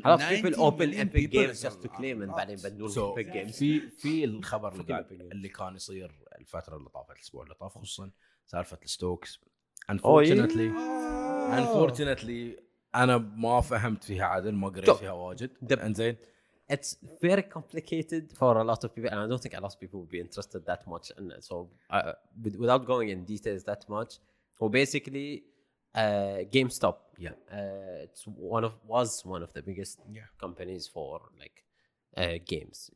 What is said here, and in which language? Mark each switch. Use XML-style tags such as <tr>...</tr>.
<en>a lot of people open Epic Games just to claim and then</en> <ar>بدون</ar> <en>Epic Games.</en> <ar>في في الخبر اللي كان يصير الفترة اللي طافت الأسبوع اللي طاف خصوصا سالفة الستوكس.</ar> <en>Unfortunately.</en> <ar>أنا ما فهمت فيها عدل ما قريت فيها واجد. إنزين.</ar> <en>It's very complicated for a lot of people, and I don't think a lot of people would be interested that much. And so, without going in details that much, well, basically, GameStop. Yeah. It was one of the biggest companies for like games.</en>